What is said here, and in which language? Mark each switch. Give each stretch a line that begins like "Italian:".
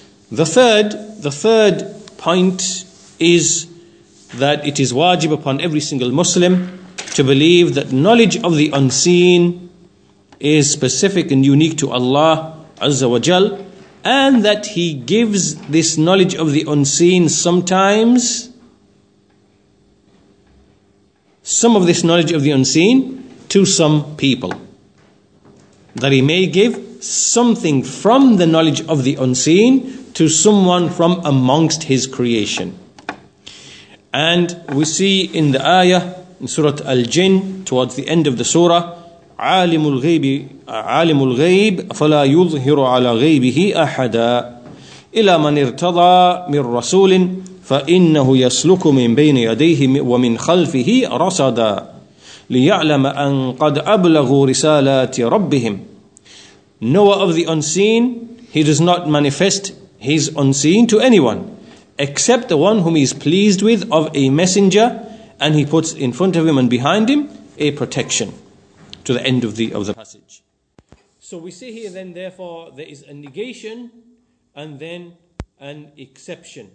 English: The third point is that it is wajib upon every single Muslim to believe that knowledge of the unseen is specific and unique to Allah Azza wa Jal, and that He gives this knowledge of the unseen sometimes. Some of this knowledge of the unseen to some people. That He may give something from the knowledge of the unseen to someone from amongst His creation. And we see in the ayah, in Surah Al-Jinn, towards the end of the surah,
Arabic: عَالِمُ الْغَيْبِ فَلَا يُظْهِرُ عَلَى غَيْبِهِ أَحَدًا إِلَى مَنِ ارْتَضَى مِنْ رَسُولٍ فَإِنَّهُ يَسْلُكُ مِنْ بَيْنِ يَدَيْهِ وَمِنْ خَلْفِهِ رَصَدًا لِيَعْلَمَ أَنْ قَدْ أَبْلَغُوا رِسَالَاتِ رَبِّهِمْ.
English: Knower of the unseen, he does not manifest his unseen to anyone except the one whom he is pleased with of a messenger, and he puts in front of him and behind him a protection, to the end of the passage. So we see here then, therefore, there is a negation and then an exception.